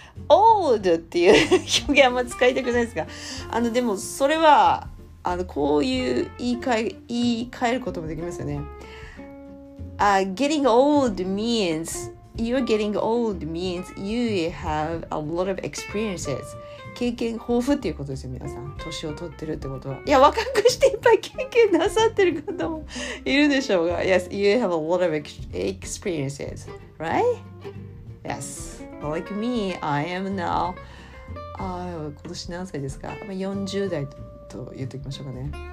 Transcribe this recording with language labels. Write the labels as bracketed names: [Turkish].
[Japanese] Old っていう表現は使いたくないですが、でもそれはこういう言い換えることもできますよね。 [English] Getting old means you are getting old means you have a lot of experiences. [Japanese] 経験豊富っていうことですよ、皆さん。年を取ってるってことは。いや、若くしていっぱい経験なさってる方もいるでしょうが。 [English] Yes, you have a lot of experiences, right? Yes. Like me, I am now... [Japanese] 今年何歳ですか ?40 代と言っておきましょうかね。